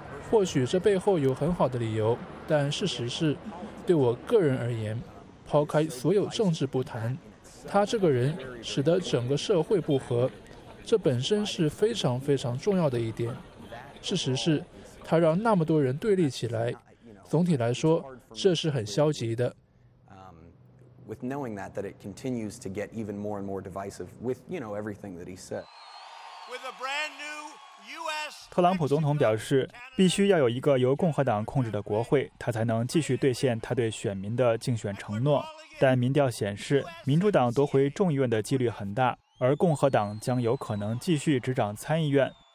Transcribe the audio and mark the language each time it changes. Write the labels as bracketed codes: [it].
[zh] 或许这背后有很好的理由，但事实是，对我个人而言，抛开所有政治不谈，他这个人使得整个社会不和，这本身是非常非常重要的一点。事实是，他让那么多人对立起来，总体来说，这是很消极的。 [en] With knowing that, that it continues to get even more and more divisive with, you know, everything that he said. With a brand new U.S. [zh] 特朗普总统表示，必须要有一个由共和党控制的国会，他才能继续兑现他对选民的竞选承诺。但民调显示，民主党夺回众议院的几率很大，而共和党将有可能继续执掌参议院。